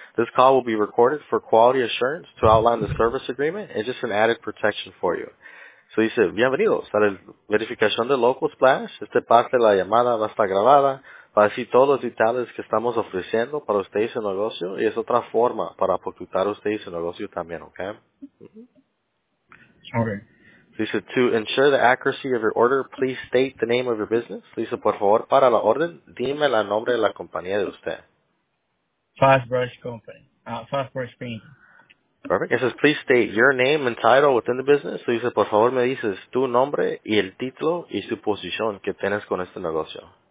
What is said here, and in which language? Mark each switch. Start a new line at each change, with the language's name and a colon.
English: This call will be recorded for quality assurance to outline the service agreement and just an added protection for you. So he said,
Spanish: bienvenidos a la verificación de Local Splash. Este parte de la llamada va a estar grabada para decir todos los detalles que estamos ofreciendo para usted y su negocio. Y es otra forma para aportar a usted y su negocio también, ¿ok?
English: Okay. Lisa, to ensure the accuracy of your order, please state the name of your business.
Spanish: Lisa, por favor, para la orden, dime el nombre de la compañía de usted.
English: Fast Brush Company. Fast Brush Paint. Perfect. It says, please state your name and title within the business.
Spanish: Lisa, por favor, me dices tu nombre y el título y su posición que tienes con este negocio.